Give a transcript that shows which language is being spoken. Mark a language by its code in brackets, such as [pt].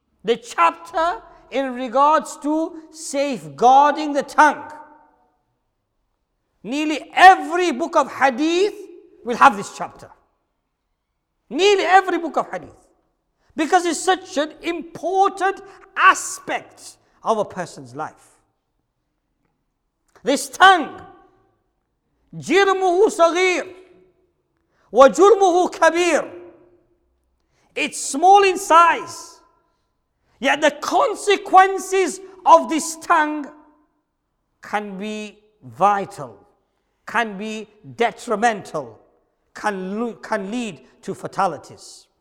[en] the chapter in regards to safeguarding the tongue. Nearly every book of hadith will have this chapter. Nearly every book of hadith. Because it's such an important aspect of a person's life. This tongue, [ar] جِرْمُهُ صَغِيرٌ وَجُرْمُهُ كَبِيرٌ. [en] It's small in size, yet the consequences of this tongue can be vital, can be detrimental, can lead to fatalities.